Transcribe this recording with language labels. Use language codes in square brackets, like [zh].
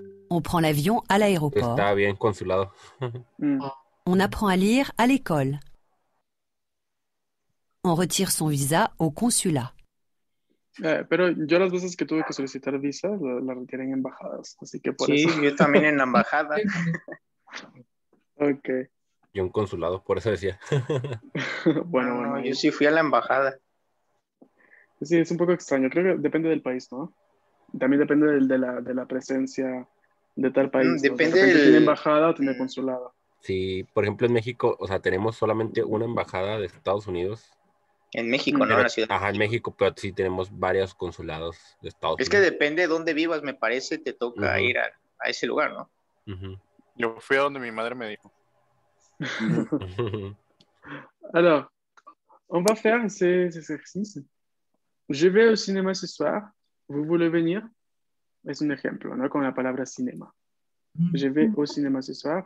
[fr] On prend l'avion à l'aéroport. [es] Está bien, consulado. [fr] On apprend à lire à l'école. On retire son visa au consulat. [es] Pero yo las veces que tuve que solicitar visa, la retiré en embajadas. Así que por sí, eso. Yo también en embajada. Ok. Y un consulado, por eso decía. bueno, yo sí fui a la embajada. Sí, es un poco extraño. Creo que depende del país, ¿no? También depende de la presencia de tal país. Depende, o sea, tiene embajada o tiene consulado. Sí, por ejemplo, en México, o sea, tenemos solamente una embajada de Estados Unidos. En México, no en la ciudad. Ajá, en México, pero sí tenemos varios consulados de Estados Unidos. Es que depende de dónde vivas, me parece, te toca ir a ese lugar, ¿no? Uh-huh. Yo fui a donde mi madre me dijo. [fr] Alors, on va faire ces exercices. Je vais au cinéma ce soir. Vous voulez venir? [es] Es un ejemplo, ¿no? Con la palabra [fr] cinema. Je vais au cinéma ce soir.